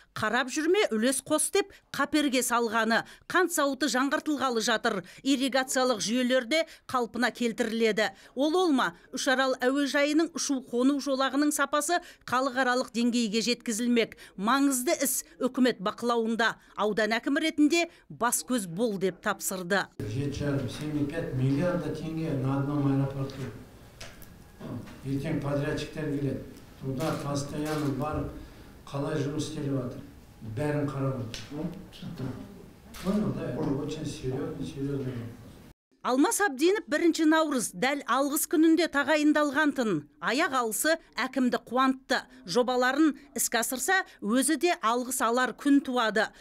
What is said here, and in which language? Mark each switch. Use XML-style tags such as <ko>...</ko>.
<kk>Қарап жүрме үлес қос деп қаперге салғаны. Қант зауыты жаңғыртылғалы жатыр. Ирригациялық жүйелерде қалпына келтіріледі. Ол олма, Үшарал әуежайының ұшу-қону жолағының сапасы халықаралық деңгейге жеткізілмек. Маңызды іс үкімет бақылауында. Аудан әкімі ретінде бас көз бол деп тапсырды.</kk> <ru>7,5 миллиард теңге на одном аэропорту.</ru> <kk>Ертең подрядчиктер келеді.</kk> <ru>Туда постоянно</ru> <kk>бар, қалай жұмыс істеп жатыр. Бәрін қарап отыр.</kk> <ru>Очень серьезный.</ru> <kk>Алмас Абдинов 1 наурыз дәл алғыс күнінде тағайындалғантын. Аяқ алысы әкімді қуантты. Жобаларын іске асырса, өзі де алғыс алар күн туады.</kk>